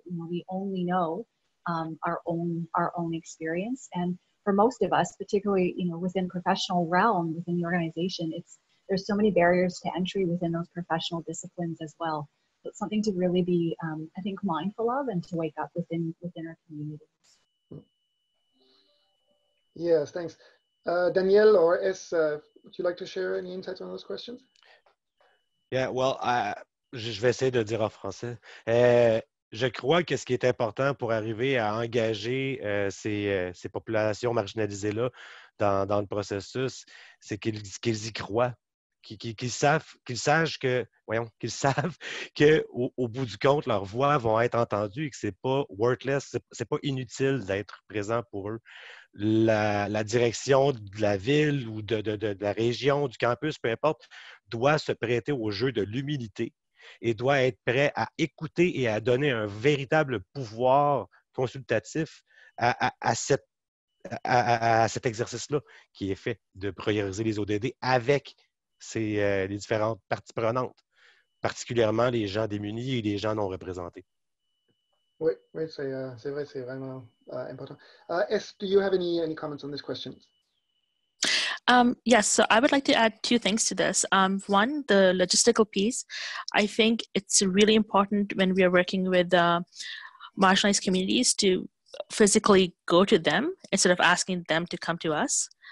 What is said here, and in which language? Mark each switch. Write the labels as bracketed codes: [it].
[en] You know, we only know our own experience, and for most of us, particularly, you know, within professional realm, within the organization, there's so many barriers to entry within those professional disciplines as well. It's something to really be, I think, mindful of and to wake up within our communities. Yes, thanks. Danielle or S, Would you like to share any insights on those questions? Yeah, well, [fr] je vais essayer de dire en français. Je crois que ce qui est important pour arriver à engager ces populations marginalisées-là dans le processus, c'est qu'ils y croient. Qu'ils savent qu'au bout du compte, leurs voix vont être entendues et que ce n'est pas worthless, c'est pas inutile d'être présent pour eux. La direction de la ville ou de la région, du campus, peu importe, doit se prêter au jeu de l'humilité et doit être prêt à écouter et à donner un véritable pouvoir consultatif à cet exercice-là qui est fait de prioriser les ODD avec les différentes parties prenantes, particulièrement les gens démunis et les gens non représentés. Oui, oui, c'est vrai, c'est vraiment important. [en] Do you have any comments on this question? Yes, so I would like to add two things to this. One, the logistical piece. I think it's really important when we are working with marginalized communities to physically go to them instead of asking them to come to us.